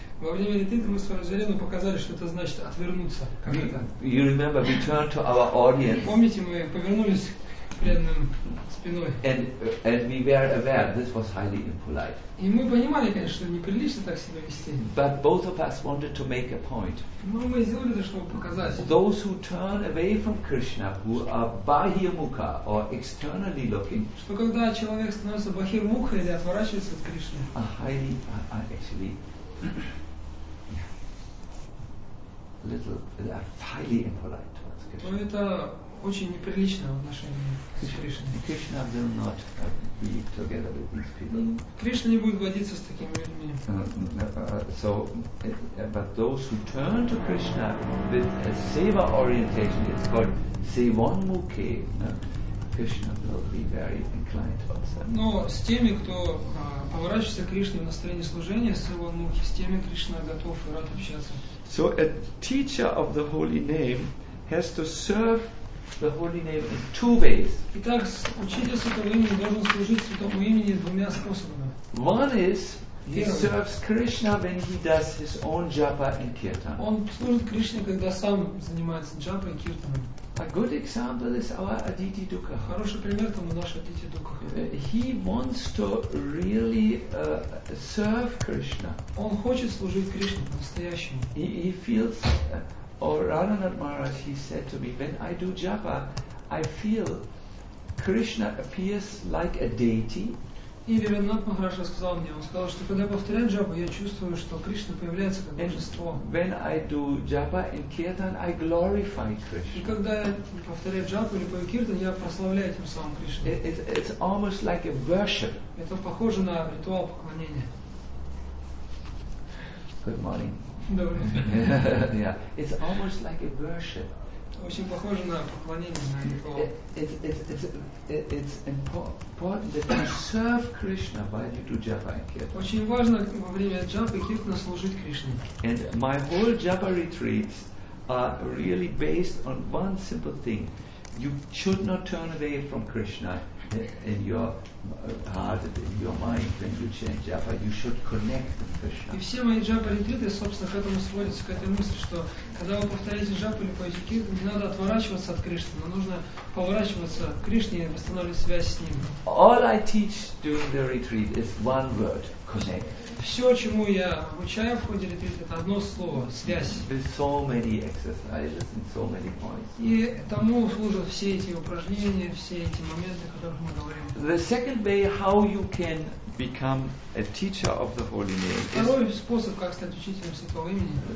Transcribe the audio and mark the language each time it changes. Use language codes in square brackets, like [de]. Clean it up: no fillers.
[ru] Во время ретрита мы с Варджарену показали, что это значит отвернуться. [en] You remember, we turned to our audience. [ru] Помните, мы повернулись к преданным спиной. [en] And we were aware this was highly impolite. [ru] И мы понимали, конечно, что неприлично так себя вести. [en] But both of us wanted to make a point. [ru] Но мы сделали это, чтобы показать. [en] Those who turn away from Krishna, who are bahirmukha or externally looking. [ru] Что когда человек становится бахирмукха или отворачивается от Кришны. [en] A highly, actually. Highly impolite towards Krishna. [ru] Но это очень неприличное отношение к Кришне. [en] Krishna will not be together with these people. [ru] Кришна не будет водиться с такими людьми. [en] So, but those who turn to Krishna with a seva orientation, it's called Sevan Mukhe. Krishna will be very inclined towards them. [ru] Но с теми, кто поворачивается к Кришне в настроении служения, с его мухи, с теми Кришна готов и рад общаться. [en] So a teacher of the holy name has to serve the holy name in two ways. [ru] Итак, учитель святого имени должен служить святому имени двумя способами. [en] One is he serves Krishna when he does his own japa and kirtan. [ru] Он служит Кришне, когда сам занимается джапой и киртаном. [en] A good example is our Aditi Dukha. [ru] Хороший пример тому наш Aditi Dukha. [en] He wants to really serve Krishna. [ru] Он хочет служить Кришне по-настоящему. [en] He feels, Radhanath Maharaj, he said to me, when I do japa, I feel Krishna appears like a deity. [ru] И Радханат Махараджа сказал мне, он сказал, что когда я повторяю джапу, я чувствую, что Кришна появляется как божество. [en] When I do japa and kirtan, I glorify Krishna. [ru] И когда я повторяю джапу или пою киртан, я прославляю тем самым Кришну. [en] It's almost like a worship. [ru] Это похоже на ритуал поклонения. [en] Good morning. [ru] Добрый день. [en] Yeah, it's almost like a worship. [ru] Очень похоже на поклонение, на ритуал. [en] It's important that you serve Krishna while you do japa and kirtan. [ru] Очень важно во время джапы и киртана служить Кришне. [en] And my whole japa retreats are really based on one simple thing. You should not turn away from Krishna in your heart, in your mind when you chant japa. You should connect with Krishna. [ru] И все мои джапа ретриты, собственно, к этому сводятся, к этой мысли, что когда вы повторяете джапу или поете киртан, не надо отворачиваться от Кришны, но нужно поворачиваться к Кришне и восстанавливать связь с Ним. [en] All I teach during the retreat is one word, connect. [ru] Все, чему я обучаю в ходе ретрита, это одно слово, связь. [en] With so many exercises and so many points. [ru] И тому служат все эти упражнения, все эти моменты, о которых мы говорим. [en] The second way how you can become a teacher of the holy name. [ru] Второй способ, как стать учителем святого имени.